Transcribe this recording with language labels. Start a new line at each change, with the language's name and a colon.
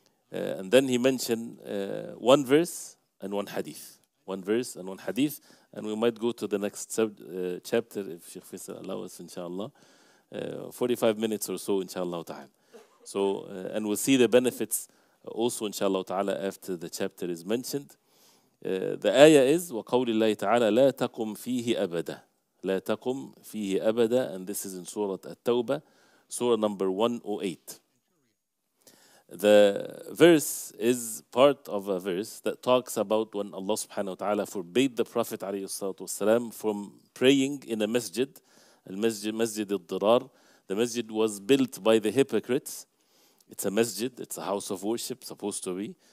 English: And then he mentioned one verse and one hadith. One verse and one hadith. And we might go to the next chapter, if Sheikh Faisal allows us, inshallah. 45 minutes or so, inshallah ta'ala. So, and we'll see the benefits also, inshallah ta'ala, after the chapter is mentioned. The ayah is
Arabic: وَقَوْلِ اللَّهِ تَعَالَى لَا تَقُمْ فِيهِ أَبَدًا لَا تَقُمْ فِيهِ أَبَدًا.
English: And this is in Surah At-Tawbah, Surah number 108. The verse is part of a verse that talks about when Allah subhanahu wa ta'ala forbade the Prophet alayhi salatu wasalam from praying in a masjid, al-masjid al-dirar. The masjid was built by the hypocrites. It's a masjid, it's a house of worship, supposed to be.